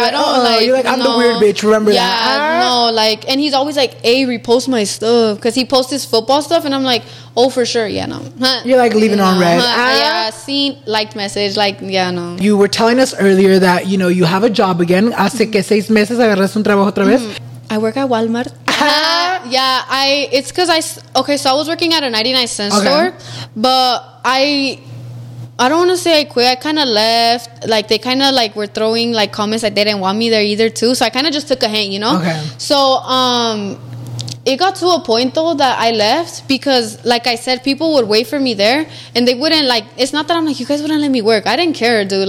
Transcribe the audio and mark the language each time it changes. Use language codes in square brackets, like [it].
[en] I don't, like, you're like, I'm no. the weird bitch, remember, yeah, that. Yeah, no, like, and he's always like, hey, repost my stuff, because he posts his football stuff, and I'm like, oh, for sure, yeah, no. You're like, leaving it on red. Yeah, seen, liked message, like, yeah, no. You were telling us earlier that, you know, you have a job again. [es] Hace que 6 meses agarras un trabajo otra vez. [en] I work at Walmart. Yeah, so I was working at a 99 cent store, but I don't want to say I quit. I kind of left. Like, they kind of, like, were throwing, like, comments that they didn't want me there either, too. So I kind of just took a hint, you know? Okay. So it got to a point, though, that I left because, like I said, people would wait for me there, and they wouldn't, like, it's not that I'm like, you guys wouldn't let me work. I didn't care, dude.